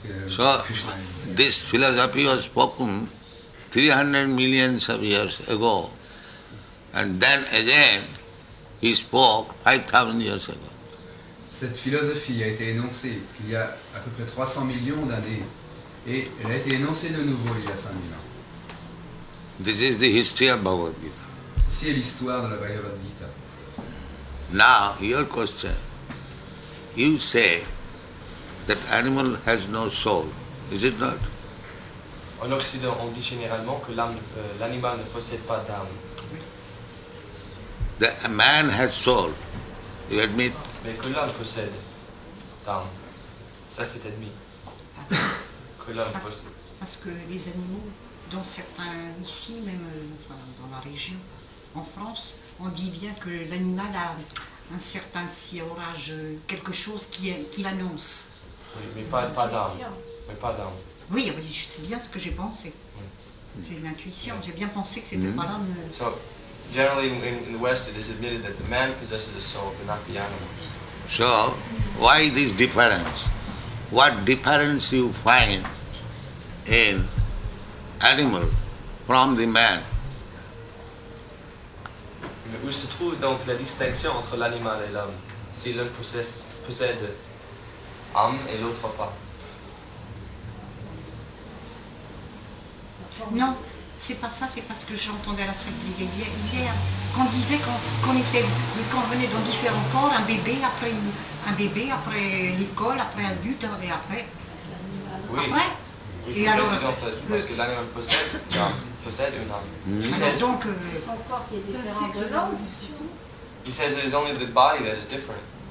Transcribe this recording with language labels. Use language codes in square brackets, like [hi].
[en] So, this philosophy was spoken 300 million of years ago. And then again, he spoke 5,000 years ago. [fr] Cette philosophie a été énoncée il y a à peu près 300 millions d'années et elle a été énoncée de nouveau il y a 5000 ans. [en] This is the history of Bhagavad Gita. [fr] Ceci est l'histoire de la Bhagavad Gita. [en] Now, your question. You say that animal has no soul, is it not? [fr] En Occident, on dit généralement que l'animal ne possède pas d'âme. [en] That a man has soul, you admit? [fr] Mais que l'homme possède d'âme, ça c'est admis. Que l'homme possède. Parce que les animaux, dont certains ici, même enfin, dans la région, en France, on dit bien que l'animal a un certain siourage, quelque chose qui l'annonce. Oui, mais pas d'âme. Mais pas d'âme. Oui, c'est bien ce que j'ai pensé. Mm. C'est l'intuition. Yeah. J'ai bien pensé que c'était pas l'âme. [en] So, generally, in the West, it is admitted that the man possesses a soul, but not the animals. So, why this difference? What difference you find in animal from the man? [fr] Mais où se trouve donc la distinction entre l'animal et l'homme? Si l'un possède âme et l'autre pas? Non. C'est pas ça, c'est parce que j'entendais à la simple hier qu'on disait qu'on était, qu'on venait dans différents corps, un bébé après l'école, après adulte, et après. Oui, après. Oui, c'est et alors, parce que l'animal possède une âme. Mm-hmm. Donc, c'est son corps qui est différent de l'homme. [en] He says it is only the body that is different.